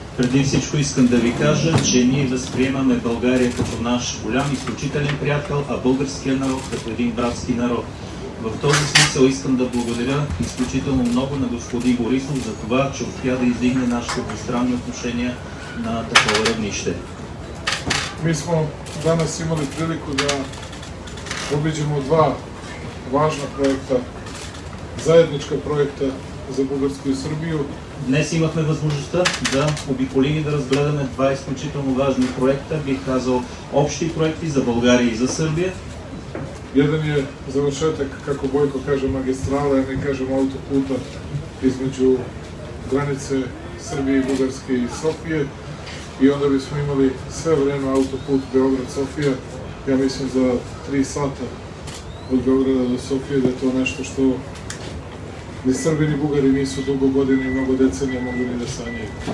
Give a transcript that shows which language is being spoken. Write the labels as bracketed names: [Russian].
[Bulgarian] Преди всичко искам да ви кажа, че ние възприемаме България като наш голям изключителен приятел, а българския народ като един братски народ. В този смисъл искам да благодаря изключително много на господин Борисов за това, че успя да издигне нашите двустранни отношения на такова равнище. [Serbian] Ми сме данас имали прилика да обиđемо два важна проекта, заедничка проекта за Бугарска и Србија. [Bulgarian] Днес имахме възможността да обиколим и да разгледаме два изключително важни проекта, бих казал общи проекти за България и за Србија. [Serbian] Jedan je završetak, kako Bojko kaže, magistrala, ja mi kažem autoputa između granice Srbije i Bugarske i Sofije i onda bismo imali sve vreme autoput Beograd-Sofija, ja mislim za 3 sata od Beograda do Sofije, da je to nešto što ni Srbi ni Bugari nisu dugo godine i mnogo decenija mogu ni da sanjaju.